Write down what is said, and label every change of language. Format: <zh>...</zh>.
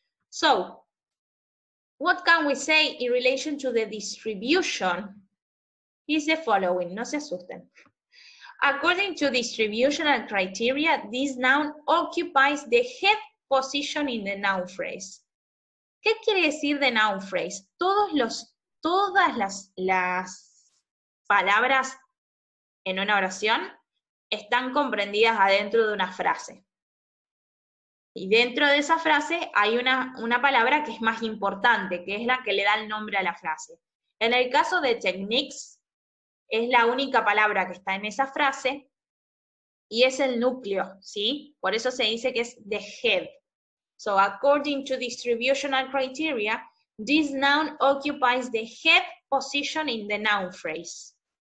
<en>So, what can we say in relation to the distribution is the following.</en> <es>No se asusten.</es> <en>According to distributional criteria, this noun occupies the head position in the noun phrase.</en> <es>¿Qué quiere decir</es> <en>the noun phrase?</en> <es>Todas las palabras en una oración están comprendidas adentro de una frase. Y dentro de esa frase hay una palabra que es más importante, que es la que le da el nombre a la frase. En el caso de techniques, es la única palabra que está en esa frase y es el núcleo, ¿sí? Por eso se dice que es the head.</es> <en>So, according to distributional criteria, this noun occupies the head position in the noun phrase.</en>